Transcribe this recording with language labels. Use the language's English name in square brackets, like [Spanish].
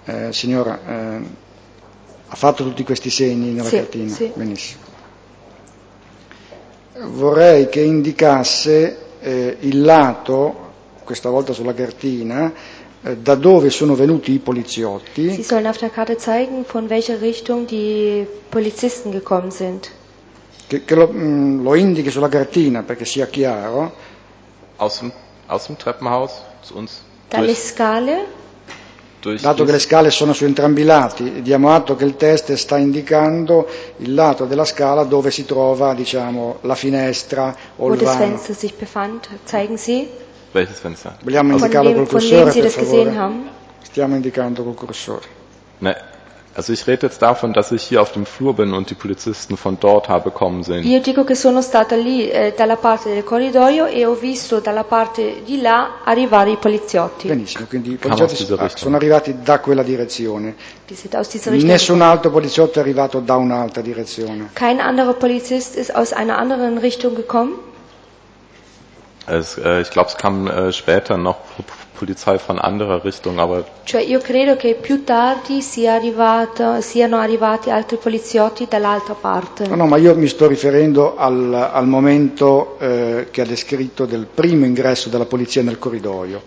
[Italian] Signora, ha fatto tutti questi segni nella sì, cartina? Sì. Benissimo. Vorrei che indicasse il lato, questa volta sulla cartina, da dove sono venuti i poliziotti. [German] Sie sollen auf der Karte zeigen, von welcher Richtung die Polizisten gekommen sind. [Italian] Che lo indichi sulla cartina, perché sia chiaro. [German] Aus dem Treppenhaus zu uns. [Italian] Dalle scale. Dato che le scale sono su entrambi i lati, diamo atto che il test sta indicando il lato della scala dove si trova, diciamo, la finestra o il vano. [German] Wo das Fenster sich befand, zeigen Sie? Welches Fenster? [Italian] Vogliamo indicarlo col cursore, per favore. Stiamo indicando col cursore. Ne. [German] Also ich rede jetzt davon, dass ich hier auf dem Flur bin und die Polizisten von dort habe kommen sehen. [Italian] Io dico che sono stata lì dalla parte del corridoio e ho visto dalla parte di là arrivare i poliziotti. Benissimo, quindi i poliziotti sono arrivati da quella direzione. Nessun altro poliziotto è arrivato da un'altra direzione. [German] Kein anderer Polizist ist aus einer anderen Richtung gekommen? Ich glaube, es kam später noch Polizei von anderer Richtung, aber [Italian] cioè io credo che più tardi siano arrivati altri poliziotti dall'altra parte. No, ma io mi sto riferendo al momento che ha descritto del primo ingresso della polizia nel corridoio.